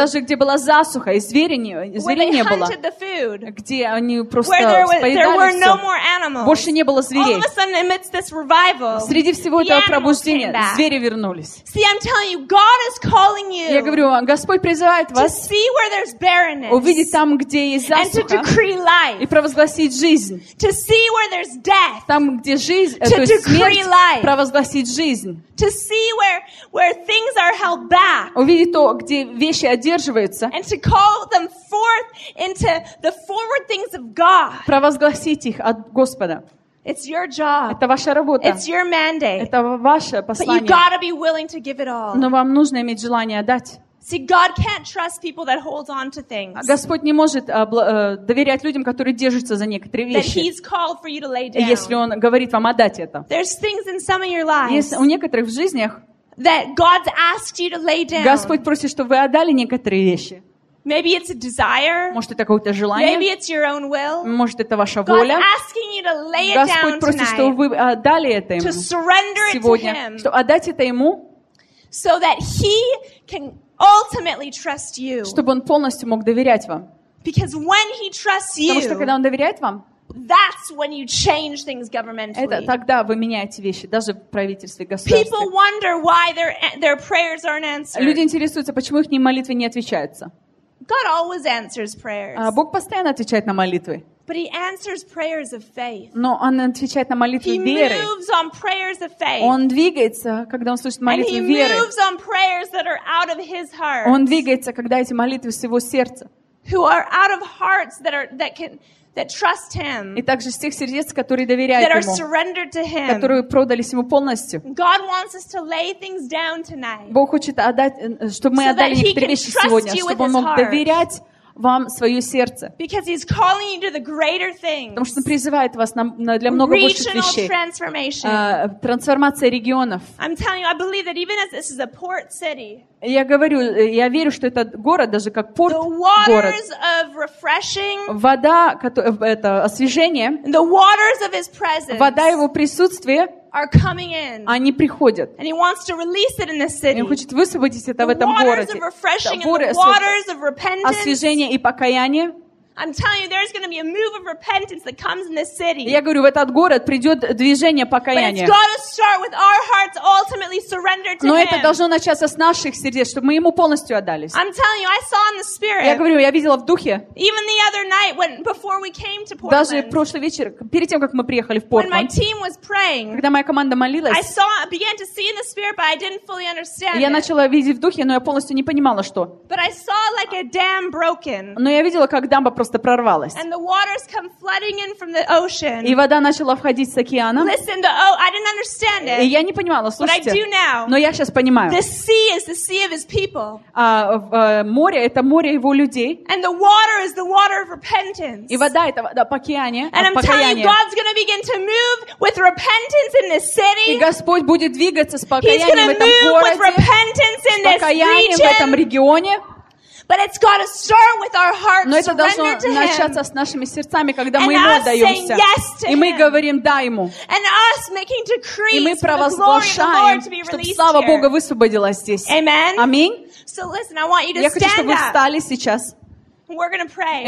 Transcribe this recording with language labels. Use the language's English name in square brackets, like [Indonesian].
[Russian] Даже где была засуха и зверей не было. [English] Where they hunted the food. [Russian] Где они просто поедали всё. [English] Where there were no more animals. [Russian] Больше не было зверей. [English] All of a sudden, amidst this revival, [Russian] среди всего этого пробуждения звери вернулись. [English] See, I'm telling you, God is calling you. [Russian] Я говорю вам, Господь призывает вас. [English] To see where there's barrenness. [Russian] Увидеть там, где есть засуха. [English] And to decree life. [Russian] И провозгласить жизнь. [English] To see where there's death. [Russian] Там, где жизнь, то есть смерть, [English] life. [Russian] Провозгласить жизнь. [English] To see where things are held back. [Russian] Увидеть то, где вещи одерживаются. [English] And to call them forth into the forward things of God. [Russian] Провозгласить их от Господа. [English] It's your job. [Russian] Это ваша работа. [English] It's your mandate. [Russian] Это ваше послание. [English] But you gotta be willing to give it all. [Russian] Но вам нужно иметь желание отдать. [English] See, God can't trust people that hold on to things. [Russian] Господь не может доверять людям, которые держатся за некоторые вещи. [English] That He's called for you to lay down. [Russian] Если Он говорит вам отдать это. [English] There's things in some of your lives. [Russian] Есть у некоторых в жизнях. [English] That God's asked you to lay down. [Russian] Господь просит, чтобы вы отдали некоторые вещи. [English] Maybe it's a desire. [Russian] Может, это какое-то желание. [English] Maybe it's your own will. [Russian] Может, это ваша воля. [English] God's asking you to lay it down [Russian] Господь просит, чтобы вы отдали это ему. [English] To surrender it to Him. [Russian] Чтобы отдать это ему. [English] So that He can ultimately trust you. [Russian] Чтобы он полностью мог доверять вам. [English] Because when He trusts you. [Russian] Потому что когда он доверяет вам. [English] That's when you change things governmentally. [Russian] Это тогда вы меняете вещи, даже в правительстве, государстве. [English] People wonder why their prayers aren't answered. [Russian] Люди интересуются, почему их молитвы не отвечаются. [English] God always answers prayers. [Russian] Бог постоянно отвечает на молитвы. [English] But he answers prayers of faith. [Russian] Но он отвечает на молитвы веры. [English] He moves on prayers of faith. [Russian] Он двигается, когда он слышит молитвы веры. [English] And he moves on prayers that are out of his heart. [Russian] Он двигается, когда эти молитвы с его сердца. [English] Who are out of hearts that are that can that trust him. [Russian] И также с тех сердец, которые доверяют ему. [English] That are surrendered to him. [Russian] Которые продались ему полностью. [English] God wants us to lay things down tonight. [Russian] Бог хочет отдать, чтобы мы отдали некоторые вещи сегодня, чтобы он мог доверять вам свое сердце. [English] Because he's calling you to the greater things. [Russian] Потому что он призывает вас на для много [English] regional [Russian] больших вещей. [English] Transformation. [Russian] Трансформация регионов. [English] I'm telling you, I believe that even as this is a port city. [Russian] Я говорю, я верю, что этот город даже как порт [English] the waters [Russian] город. [English] Of refreshing, [Russian] вода, это освежение. [English] The waters of his presence. [Russian] Вода его присутствия. [English] Are coming in. [Russian] Они приходят. [English] And he wants to release it in the city. [Russian] И он хочет высвободить это [English] the [Russian] в этом городе. [English] Waters of refreshing and the waters of repentance. [Russian] Освежение и покаяние. [English] I'm telling you, there's going to be a move of repentance that comes in this city. [Russian] Я говорю, в этот город придет движение покаяния. [English] But it's got to start with our hearts ultimately surrendered to [Russian] Это должно начаться с наших сердец, чтобы мы ему полностью отдались. [English] I'm telling you, I saw in the spirit. [Russian] Я говорю, я видела в духе. [English] Even the other night, when before we came to Portland. [Russian] Даже прошлый вечер, перед тем как мы приехали в Портленд. [English] When my team was praying. [Russian] Когда моя команда молилась. [English] I saw, began to see in the spirit, but I didn't fully understand. [Russian] Я начала видеть в духе, но я полностью не понимала, что. [English] But I saw like a dam broken. [Russian] Но я видела, как дамба просто прорвалась. [English] And the waters come flooding in from the ocean. [Russian] И вода начала входить с океана. [English] Listen, the oh, I didn't understand it. [Russian] И я не понимала, слушайте. [English] But I do now. [Russian] Но я сейчас понимаю. [English] The sea is the sea of his people. [Russian] Море это море его людей. [English] And the water is the water of repentance. [Russian] И вода это вода покаяния. [English] And I'm telling you, God's going to begin to move with repentance in this city. [Russian] И Господь будет двигаться с покаянием в этом городе. [English] He's going to move with repentance in this region. [Russian] С покаянием в этом регионе. [English] But it's got to start with our hearts. [Russian] Но это должно начаться с нашими сердцами, когда мы ему отдаемся. [English] Yes [Russian] и мы говорим да ему. [English] And us making decrees. [Russian] И мы провозглашаем, чтобы слава Бога высвободилась здесь. [English] Amen. [Russian] Аминь. [English] So listen, I want you to [Russian] Я хочу, чтобы вы встали сейчас. [English] We're gonna pray.